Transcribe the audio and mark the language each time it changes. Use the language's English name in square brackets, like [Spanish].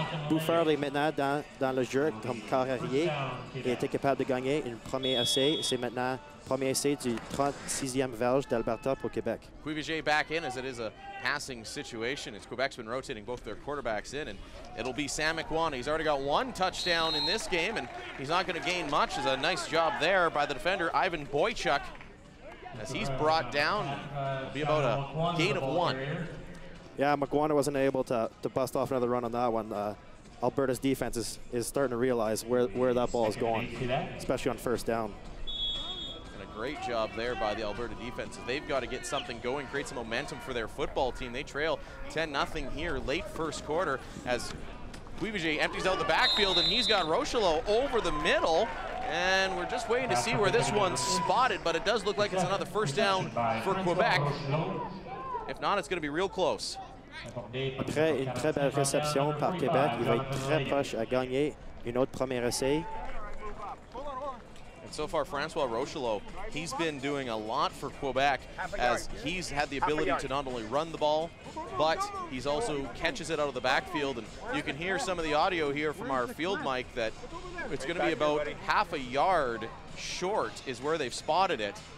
[French] Bouffard est maintenant dans le jeu comme carrière. Il était capable de gagner un premier essai. C'est maintenant premier essai du 36e verge d'Alberta pour Québec. [English] Cuivier back in, as it is a passing situation. It's Quebec's been rotating both their quarterbacks in, and it'll be Sam McWane. He's already got one touchdown in this game, and he's not going to gain much. It's a nice job there by the defender, Ivan Boychuk. as he's brought down. Be about a gain of one. Yeah, McGuana wasn't able to bust off another run on that one. Alberta's defense is starting to realize where that ball is going, especially on first down. And a great job there by the Alberta defense. They've got to get something going, create some momentum for their football team. They trail 10-0 here late first quarter as Bouivier empties out the backfield, and he's got Rochelle over the middle. And we're just waiting to see where this one's spotted, but it does look like it's another first down for Quebec. If not, it's going to be real close. [French] Après une très belle réception par Québec, il va être très proche à gagner une autre première essai. [English] And so far, Francois Rochelot, he's been doing a lot for Quebec as he's had the ability to not only run the ball, but he's also catches it out of the backfield. And you can hear some of the audio here from our field mic that it's going to be about half a yard short is where they've spotted it.